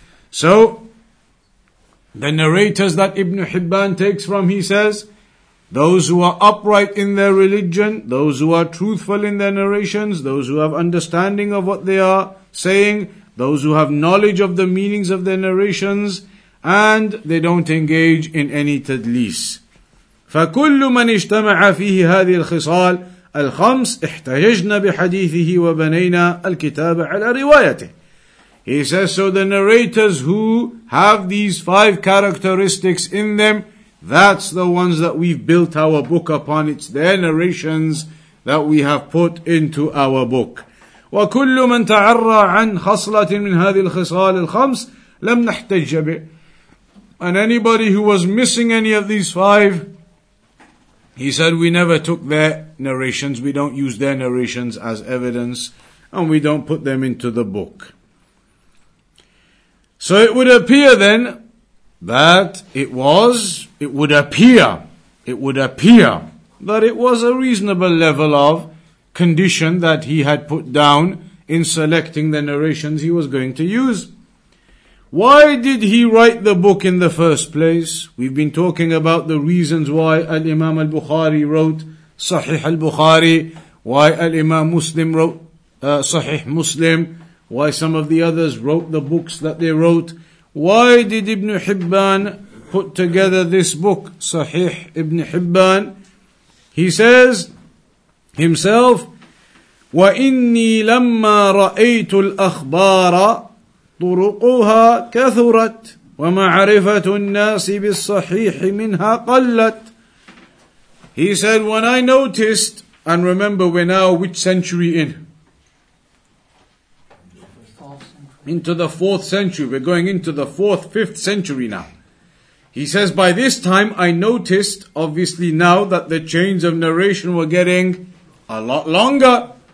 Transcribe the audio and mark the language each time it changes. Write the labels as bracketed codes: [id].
[en] So, the narrators that Ibn Hibban takes from, he says, those who are upright in their religion, those who are truthful in their narrations, those who have understanding of what they are saying, those who have knowledge of the meanings of their narrations, and they don't engage in any tadlis. [ar] فَكُلُّ مَنْ اِجْتَمَعَ فِيهِ هَذِهِ الْخِصَالِ الخمس احتججنا بحديثه وبنينا الكتاب على روايته. [en] He says, so the narrators who have these five characteristics in them, that's the ones that we've built our book upon. It's their narrations that we have put into our book. [ar] وكل من تعرى عن خصلة من هذه الخصال الخمس لم نحتج به. [en] And anybody who was missing any of these five, he said, we never took their narrations, we don't use their narrations as evidence, and we don't put them into the book. So it would appear then that it would appear that it was a reasonable level of condition that he had put down in selecting the narrations he was going to use. Why did he write the book in the first place? We've been talking about the reasons why Al-Imam Al-Bukhari wrote Sahih Al-Bukhari, why Al-Imam Muslim wrote Sahih Muslim, why some of the others wrote the books that they wrote. Why did Ibn Hibban put together this book, Sahih Ibn Hibban? He says himself, [ar] وَإِنِّي لَمَّا رَأَيْتُ الْأَخْبَارَ طرقها كثرت ومعرفة الناس بالصحيح منها قلت. [en] He said, when I noticed And remember, we're now which century in? Into the 4th century. We're going into the 4th, 5th century now. He says, by this time I noticed, obviously now, that the chains of narration were getting a lot longer.